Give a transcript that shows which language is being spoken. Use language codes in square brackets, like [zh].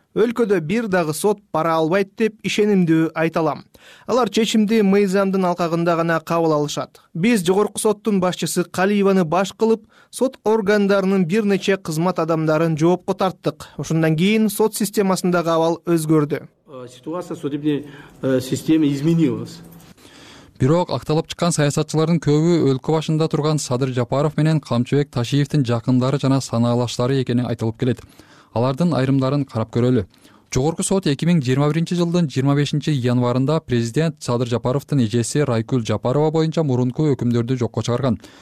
[ky] Өлкөдө бир дагы сот пара албайт деп ишенимдүү айта алам. Алар чечимди мыйзамдын алкагында гана кабыл алышат. Биз жогорку соттун башчысы Калиеваны баш кылып, сот органдарынын бир нече кызмат адамдарын жоопко тарттык. Ошондон кийин сот системасындагы абал өзгөрдү. [ru] Ситуация судебной системы изменилась. [ky] Бирок акталып чыккан саясатчылардын көбү өлкө башында турган Садыр Жапаров менен Камчыбек Ташиевдин жакындары жана санаалаштары экени айтылып келет. Алардын айрымдарын карап көрөлү. Жогорку сот 2021 жылдын 25 январында президент Садыр Жапаровдун эжеси Райкүл Жапарова боюнча мурунку өкүмдөрдү жокко чыгарган.